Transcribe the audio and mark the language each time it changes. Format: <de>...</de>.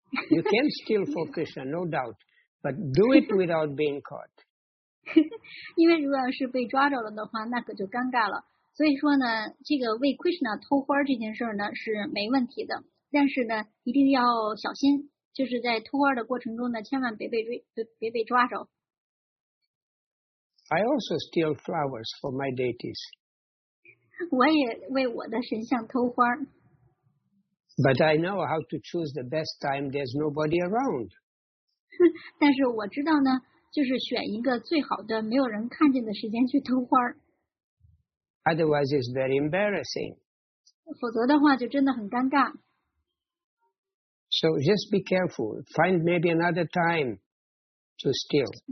<en>You can steal for Krishna, no doubt, but do it without being caught.</en> <zh>因为如果要是被抓着了的话，那可就尴尬了。所以说呢，这个为 Krishna 偷花这件事呢是没问题的，但是呢，一定要小心，就是在偷花的过程中呢，千万别被抓着。</zh> <en>I also steal flowers for my deities.</en> <zh>我也为我的神像偷花,</zh> <en>but I know how to choose the best time there's nobody around.</en> <zh>但是我知道呢, 就是选一个最好的, 没有人看见的时间去偷花,</zh> <en>otherwise it's very embarrassing.</en> <zh>否则的话就真的很尴尬。</zh> <en>So just be careful. Find maybe another time to steal.</en>